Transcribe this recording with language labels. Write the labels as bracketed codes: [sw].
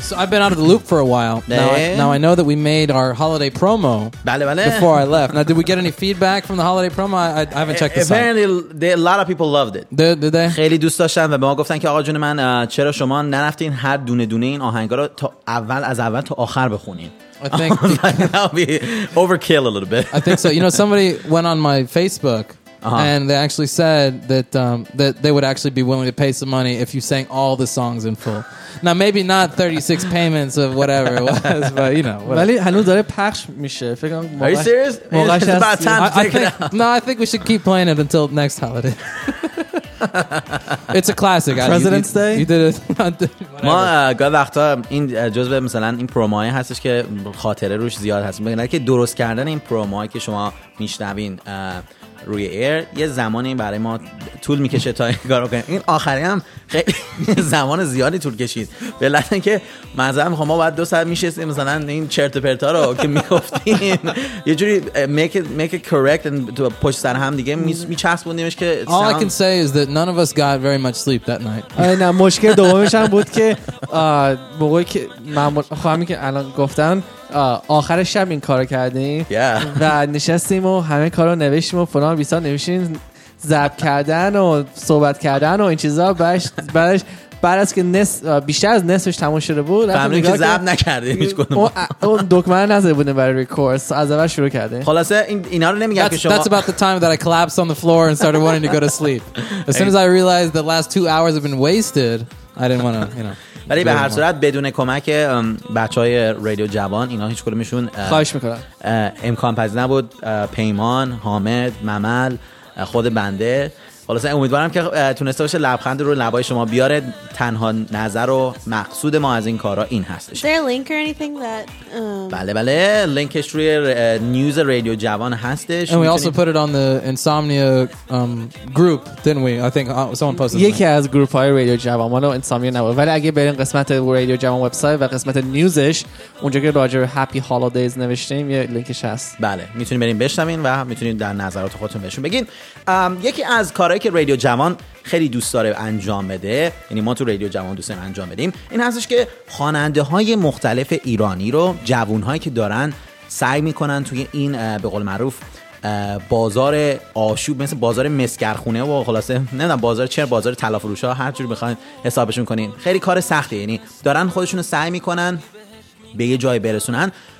[en] been out of the loop for a while. Now I know that we made our holiday promo before I left. Now, did we get any feedback from the holiday promo? I haven't checked the site. Apparently, a lot of people loved it. Did they? [fa] خیلی دوست داشتن و به ما گفتن که آقا جون من چرا شما نرفتین هر دونه دونه این آهنگا رو تا اول از اول تا آخر بخونین. [en] I think that would be overkill a little bit. I think so. You know, somebody went on my Facebook and they actually said that that they would actually be willing to pay some money if you sang all the songs in full. Now maybe not 36 payments of whatever it was, but you know. [fa] ولی هنوز داره پخش میشه. فکر کنم. [en] Are you serious? It's about time to take it out. No, I think we should keep playing it until next holiday. It's a classic. President's Day. You did it. [fa] ما گاه وقتا این جزء مثلا این پروموهایی هستش که خاطره روش زیاد هست. میگن که درست کردن این پروموهایی که شما میشنوین روی ایر یه زمانی برای ما طول میکشه تا این کارو کنیم. این آخری هم خیلی زمان زیادی طول کشید به علت اینکه معذرت میخوام ما بعد دو ساعت میشستیم مثلا این چرت و پرتا رو که میگفتیم یه جوری [en] make it correct and to push [fa] سر هم دیگه میچسبوندیمش که [en] all I can say is that none of us got very much sleep that night. [fa] نه مشکل دومش هم بود که موقعی که من خواهمی که الان گفتم آخر شب این کارو کردیم و نشستیم و همه کارو نوشتیم و فلان بیسا نوشتیم ضبط کردن و صحبت کردن و این چیزا بعدش بعد از که بیشتر از نصفش تموم شده بود فهمیدیم که ضبط نکردیم هیچ کدوم اون دکمه رو نذاره بودیم برای ریکورد از اول شروع کردیم خلاصه اینا رو نمیگم که شما [en] That's about the time that I collapsed on the floor and started wanting to go to sleep. As soon as I realized the last 2 hours have been wasted, I didn't want to, you know. [fa] ولی به هر صورت بدون کمک بچهای رادیو جوان اینا هیچ کدومشون خواهش میکنم امکان پذیر نبود پیمان حامد ممل خود بنده خلاصه امیدوارم که تونسته باشه لبخند رو لبای شما بیاره تنها نظر و مقصود ما از این کارا این هستش بله بله لینکش روی نیوز رادیو جوان هستش [en] and we also put it on the insomnia group didn't we I think someone posted [fa] یکی از گروپ های رادیو جوان مانو انسامنیا نبود ولی اگه برین قسمت رادیو جوان وبسایت و قسمت نیوزش اونجا که راجع به هپی هالیدیز نوشتیم یه لینکش هست بله میتونید برین بشنوین و میتونید در نظرات خودتون بهشون بگین یکی از کارهایی که رادیو جوان خیلی دوست داره انجام بده یعنی ما تو رادیو جوان دوست داریم انجام بدیم این هستش که خواننده های مختلف ایرانی رو جوان هایی که دارن سعی میکنن توی این به قول معروف بازار آشوب مثل بازار مسگرخونه و خلاصه نمیدونم بازار چه بازار تلافروش ها هر جور بخواید حسابشون کنین خیلی کار سختیه یعنی دارن خودشون رو سعی میکنن به یه جای برسونن